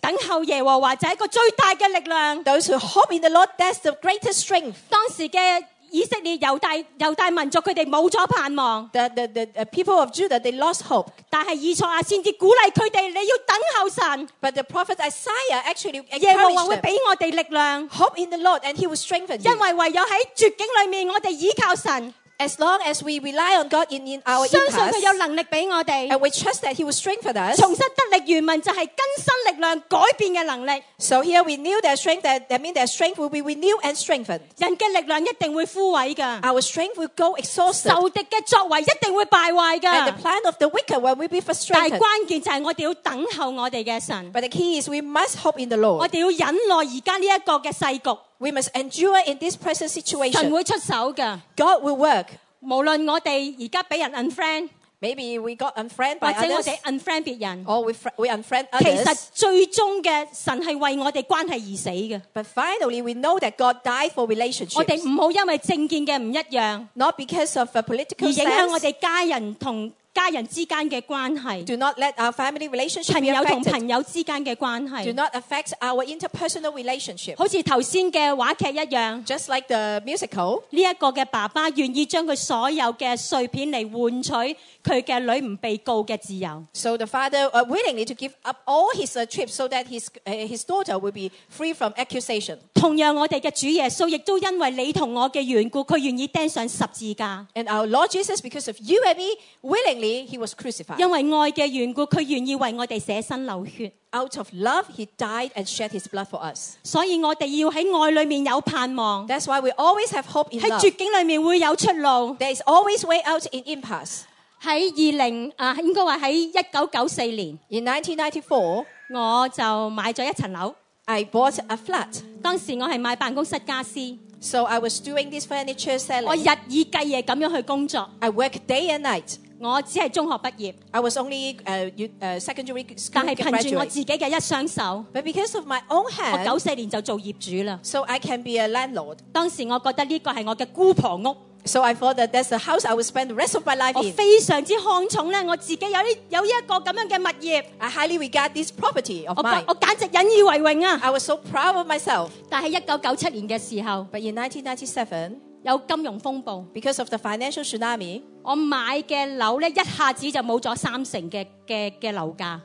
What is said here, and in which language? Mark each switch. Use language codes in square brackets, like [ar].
[yue] 等候耶和华就系一个最大嘅力量。 [en] Those who hope in the Lord, that's the greatest strength. [yue] 当时嘅以色列犹大民族，佢哋冇咗盼望。 [en] The people of Judah, they lost hope. [yue] 但系以赛亚先至鼓励佢哋，你要等候神。 [en] But the prophet Isaiah actually encouraged them. [yue] 耶和华会俾我哋力量。 [en] Hope in the Lord, and He will strengthen you. [yue] 因为唯有喺绝境里面，我哋倚靠神。 [en] As long as we rely on God in our impasse, [yue] 相信佢有能力俾我哋 [en] ，and we trust that He will strengthen us. [yue] 重新得力原文就系更新力量、改变嘅能力。 [en] So here we renew their strength. That means their strength will be renewed and strengthened. [yue] 人嘅力量一定会枯萎噶 [en] ，our strength will go exhausted. [yue] 仇敌嘅作为一定会败坏噶 [en] ，and the plan of the wicked will be frustrated. [yue] 但系关键就系我哋要等候我哋嘅神。 [en] But the key is we must hope in the Lord. [yue] 我哋要忍耐而家呢一个嘅世局。 [en] We must endure in this present situation. [yue] 神会出手噶。 [en] God will work. [yue] 无论我哋而家俾人 unfriend， [en] maybe we got unfriend by others， [yue] 或者我哋 unfriend 别人， [en] or we unfriend others。 [yue] 其实最终嘅神系为我哋关系而死嘅。 [en] But finally, we know that God died for relationships. [yue] 我哋唔好因为政见嘅唔一样， [en] not because of a political sense， [yue] 而影响我哋家人同家人之间嘅关系。 [en] Do not let our family relationship be affected. [yue] 朋友同朋友之间嘅关系。 [en] Do not affect our interpersonal relationship. [yue] 好似头先嘅话剧一样。 [en] Just like the musical. [yue] 呢一个嘅爸爸愿意将佢所有嘅碎片嚟换取佢嘅女唔被告嘅自由。 [en] So the father willingly to give up all his trips so that his daughter will be free from accusation. [yue] 同样我哋嘅主耶稣亦都因为你同我嘅缘故，佢愿意钉上十字架。 [en] And our Lord Jesus, because of you and me, willingly He was crucified. [yue] 因为爱嘅缘故，佢愿意为我哋舍身流血。 [en] Out of love, he died and shed his blood for us. [yue] 所以我哋要喺爱里面有盼望。 [en] That's why we always have hope in love. [yue] 喺绝境里面会有出路。 [en] There is always way out in impasse. [yue] 应该话喺1994年。 [en] In 1994, [yue] 我就买咗一层楼。 [en] I bought a flat. [yue] 当时我系买办公室家私。 [en] So I was doing this furniture selling. [yue] 我日以继夜咁样去工作。 [en] I work day and night. [yue] 我只是中学毕业 [en] ，I was only secondary school graduate。 [yue] 但系凭住我自己嘅一双手 [en] ，But because of my own hand， [yue] 我94年就做业主啦 [en] ，So I can be a landlord。 [yue] 当时我觉得呢个系我嘅姑婆屋 [en] So I thought that that's the house I would spend the rest of my life in. [yue] 我非常之看重咧，我自己有呢有一个咁样嘅物业。 [en] I highly regard this property of mine. [yue] 我简直引以为荣啊 [en] ！I was so proud of myself. [yue] 但系1997年嘅时候 [en] ，But in 1997， [yue] 有金融风暴 [en] ，Because of the financial tsunami， [yue] 我买嘅楼咧一下子就冇咗三成嘅楼价。